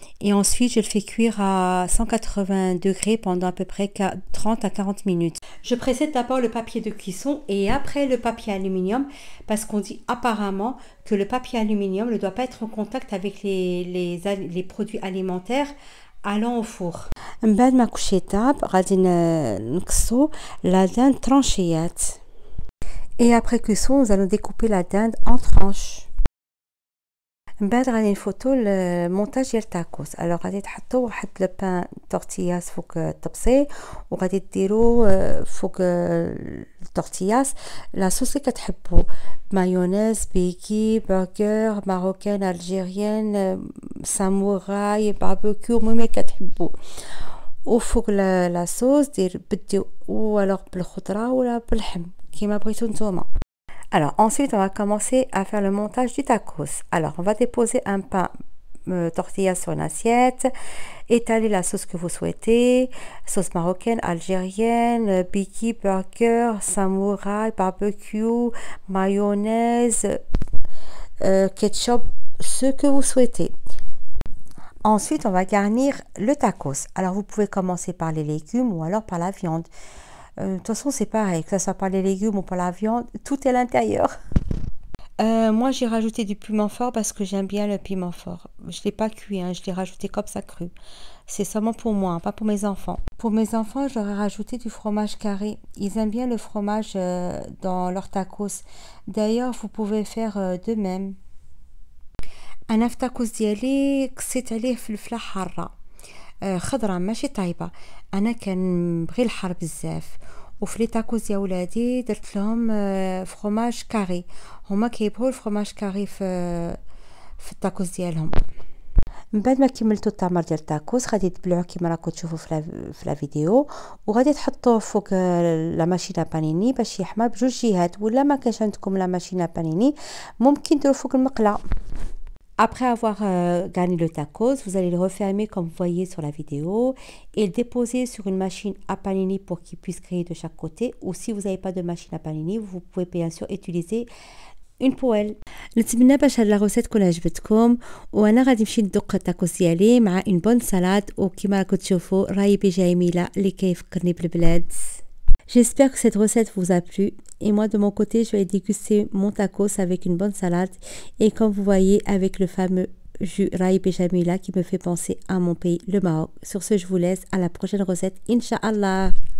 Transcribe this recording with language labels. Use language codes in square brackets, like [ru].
[fr] Et ensuite je le fais cuire à 180 degrés pendant à peu près 30 à 40 minutes. Je précède d'abord le papier de cuisson et après le papier aluminium parce qu'on dit apparemment que le papier aluminium ne doit pas être en contact avec les produits alimentaires allant au four. [ar] من بعد ما كلشي طاب غادي نقصو [fr] لا داند ترونشيات، اي ابري كوسون [ar] غادي نديكوبي [fr] لا داند ان ترونش. [ar] من بعد غادي نفوتو المونتاج ديال التاكوس. الو غادي تحطو واحد لوبان تورتياس فوق الطبسي وغادي ديرو فوق التورتياس لا صوص لي كتحبو، مايونيز، بيكي، برجر، ماروكان، الجيريان، ساموراي، باربيكيو، المهم لي كتحبو. وفوق لا صوص دير بدي ولوغ بالخضره ولا باللحم كيما بغيتو نتوما. [fr] Alors ensuite on va commencer à faire le montage du tacos. Alors on va déposer un pain tortilla sur une assiette, étaler la sauce que vous souhaitez, sauce marocaine, algérienne, biki, burger, samouraï, barbecue, mayonnaise, ketchup, ce que vous souhaitez. Ensuite on va garnir le tacos. Alors vous pouvez commencer par les légumes ou alors par la viande. De toute façon, c'est pareil, que ce soit par les légumes ou par la viande, tout est à l'intérieur. Moi, j'ai rajouté du piment fort parce que j'aime bien le piment fort. Je l'ai pas cuit, hein, je l'ai rajouté comme ça cru. C'est seulement pour moi, hein, pas pour mes enfants. Pour mes enfants, j'aurais rajouté du fromage carré. Ils aiment bien le fromage dans leurs tacos. D'ailleurs, vous pouvez faire de même. [ar] انا في تاكوس ديالي قصيت عليه فلفله حاره خضراء ماشي طايبه. انا كان بغي الحار بزاف، وفي لي تاكوس يا ولادي درت لهم فرماج كاري. هما كيبغوا الفرماج كاري في التاكوس ديالهم. من بعد ما كملتوا التمر ديال التاكوس غادي تبلعوه كيما راكم تشوفوا في لا فيديو، وغادي تحطوه فوق لا ماشينه بانيني باش يحمر بجوج جهات. ولا ما كانش عندكم لا ماشينه بانيني ممكن ديروا فوق المقله. [fr] Après avoir garni le tacos, vous allez le refermer comme vous voyez sur la vidéo et le déposer sur une machine à panini pour qu'il puisse griller de chaque côté. Ou si vous n'avez pas de machine à panini, vous pouvez bien sûr utiliser une poêle. [ar] نتمنى باش هاد لا روسيت تكون عجبتكم، وانا غادي نمشي ندوق التاكوس ديالي مع [fr] اون بون سالاد، [ar] وكما راكم تشوفوا راهي بيجاي ميله اللي كيفكرني بالبلاد. [fr] J'espère que cette recette vous a plu et moi de mon côté je vais déguster mon tacos avec une bonne salade et comme vous voyez avec le fameux jus raï béjamila qui me fait penser à mon pays le Maroc. Sur ce je vous laisse à la prochaine recette Inch'Allah.